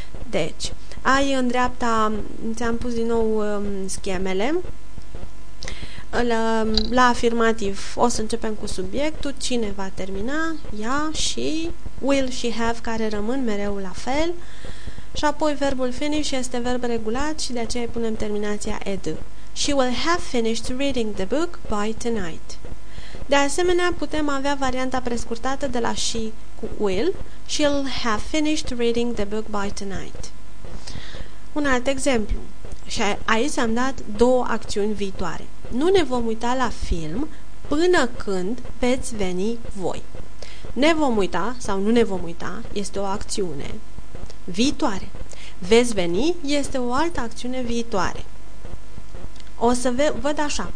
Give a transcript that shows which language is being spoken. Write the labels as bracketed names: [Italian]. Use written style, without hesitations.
[Romanian] Deci, ai în dreapta, ți-am pus din nou schemele, la afirmativ o să începem cu subiectul, cine va termina, ea și will și have, care rămân mereu la fel, Și apoi verbul finish este verb regulat și de aceea punem terminația ed. [English] She will have finished reading the book by tonight. [Romanian] De asemenea, putem avea varianta prescurtată de la she cu will. [English] She'll have finished reading the book by tonight. [Romanian] Un alt exemplu. Și aici am dat două acțiuni viitoare. Nu ne vom uita la film până când veți veni voi. Ne vom uita sau nu ne vom uita este o acțiune viitoare. Veți veni este o altă acțiune viitoare. O să văd așa.